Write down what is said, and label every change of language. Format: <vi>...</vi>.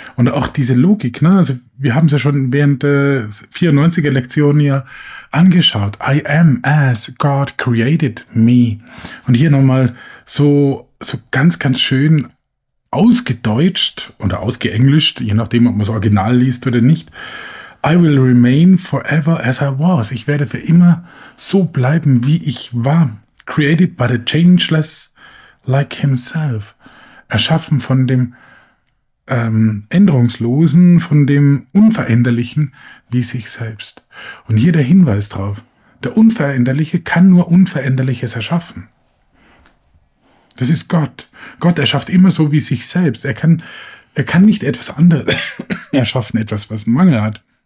<de>Und auch diese Logik, ne? Also wir haben es ja schon während der 94er Lektion hier angeschaut.</de> <en>I am as God created me.</en> <de>Und hier nochmal so ganz, ganz schön ausgedeutscht oder ausgeenglischt, je nachdem, ob man es original liest oder nicht.</de> <en>I will remain forever as I was.</en> <de>Ich werde für immer so bleiben, wie ich war.</de> <en>Created by the changeless like himself.</en> <de>Erschaffen von dem Änderungslosen, von dem Unveränderlichen wie sich selbst. Und hier der Hinweis drauf, der Unveränderliche kann nur Unveränderliches erschaffen. Das ist Gott. Gott erschafft immer so wie sich selbst. Er kann nicht etwas anderes erschaffen, etwas, was Mangel hat.</de>